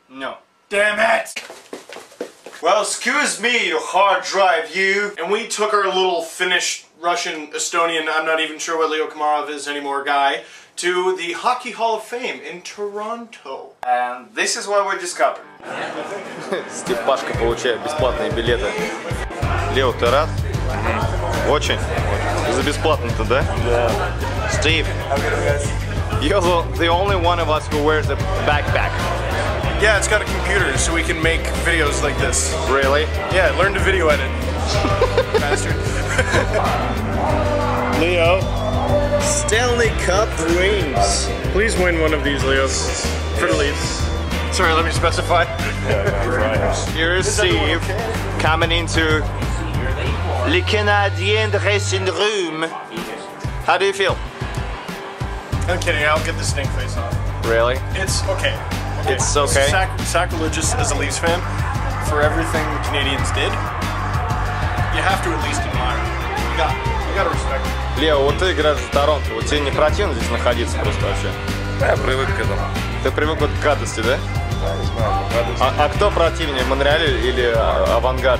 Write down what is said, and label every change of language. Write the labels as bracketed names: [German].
[English] No. Damn it! Well, excuse me, you hard drive, you! And we took our little Finnish, Russian, Estonian, I'm not even sure what Leo Komarov is anymore guy, to the Hockey Hall of Fame in Toronto. And this is what we discovered. [Russian] Степашка получает бесплатные билеты. Лео, ты рад? Очень. За бесплатно-то, да? Да. Стив. [English] You're the only one of us who wears a backpack. Yeah, it's got a computer, so we can make videos like this. Really? Yeah, learn to video edit. Bastard. Leo. Stanley Cup rings. Please win one of these, Leo. For the Leafs. Sorry, let me specify. Here is Steve coming into Le Canadien dressing room. How do you feel? I'm kidding, I'll get the stink face off. Really? It's okay. It's okay? It's sacrilegious as a Leafs fan for everything the Canadians did. You have to at least admire. You gotta respect it. [Russian] Лео, вот ты играешь в Торонто, вот тебе не противно здесь находиться просто вообще? Я привык к этому. Ты привык вот к гадости, да? Да, не знаю, к гадости. А кто противнее, Монреаль или Авангард?